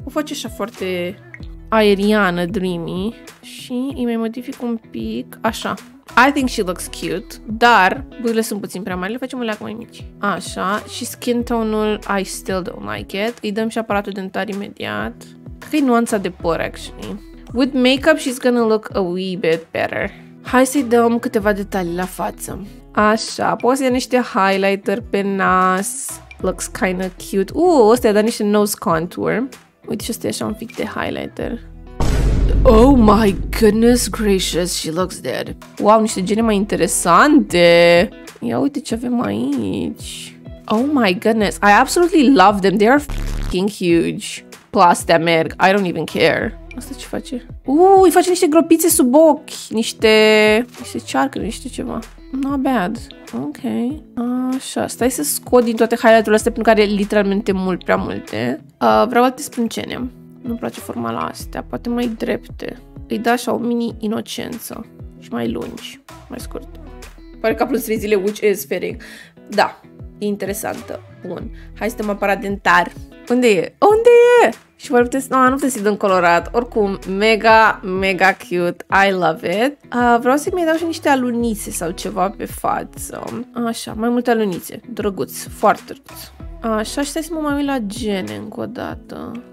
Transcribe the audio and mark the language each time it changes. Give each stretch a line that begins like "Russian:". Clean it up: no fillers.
Romanian: O face așa foarte aeriană, dreamy. Și îi mai modific un pic. Așa.
English: I think she looks cute,
Romanian: dar buzele sunt puțin prea mari, le facem o leacă mai mici. Așa, și skin tone-ul,
English: I still don't like it.
Romanian: Îi dăm și aparatul dentar imediat. Cred că e nuanța de păr, actually.
English: With makeup, she's gonna look a wee bit better.
Romanian: Hai să-i dăm câteva detalii la față. Așa, poți să ia niște highlighter pe nas.
English: Looks kinda cute.
Romanian: Ăsta i-a dat niște
English: nose contour.
Romanian: Uite și ăsta e așa un pic de highlighter.
English: Oh my goodness gracious, she looks dead. Wow,
Romanian: niște gene mai interesante. Ia uite ce avem aici.
English: Oh my goodness, I absolutely love them. They are f***ing huge. Plus, they merg, I don't even care.
Romanian: Asta ce face? Îi face niște gropițe sub ochi. Niște cearcă, niște ceva.
English: Not bad.
Romanian: Ok. Așa, stai să scot din toate highlight-urile astea, pentru care literalmente mult, prea multe. Vreau alte sprâncene. Nu-mi place forma la astea, poate mai drepte. Îi da așa o mini inocență. Și mai lungi, mai scurt. Pare că a plus 3 zile,
English: which is fitting.
Romanian: Da, e interesantă. Bun, hai să dăm aparat dentar. Unde e? Unde e? Și mai puteți, nu puteți să-i dăm colorat. Oricum, mega, mega cute.
English: I love it.
Romanian: Vreau să-mi dau și niște alunițe sau ceva pe față. Așa, mai multe alunițe. Drăguț, foarte drăguț. Așa, și stai să mă mai uit la gene încă o dată.